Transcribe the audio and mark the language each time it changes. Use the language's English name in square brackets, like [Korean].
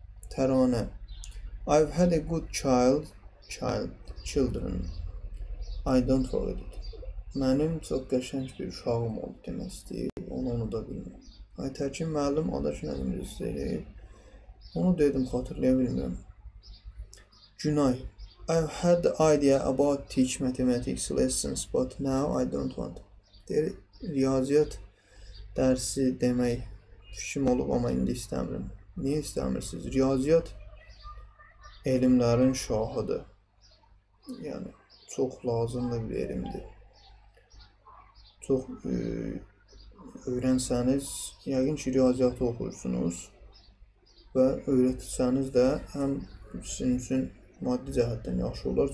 [English] Tərana, I've had a good child, children, I don't forget it. [Azerbaijani] Mənim çox qəşəng bir uşağım oldu demək istəyir, onu da bilmirəm. Aytəkin müəllim adaşı nədir istəyir, onu dedim, xatırlaya bilmirəm. [English] Günay, I've had the idea about teach mathematics lessons, but now I don't want. [Azerbaijani] Deyir, riyaziyyat dərsi demək fikrim olub, amma indi istəmirəm. Niyə istəmirsiniz? Riyaziyyat elmlərin şahıdır. Yəni, çox lazımlı bir elmdir. Çox öyrənsəniz, yəqin ki, riyaziyyatı oxursunuz və öyrətsəniz də həm sizin üçün maddi cəhətdən yaxşı olar.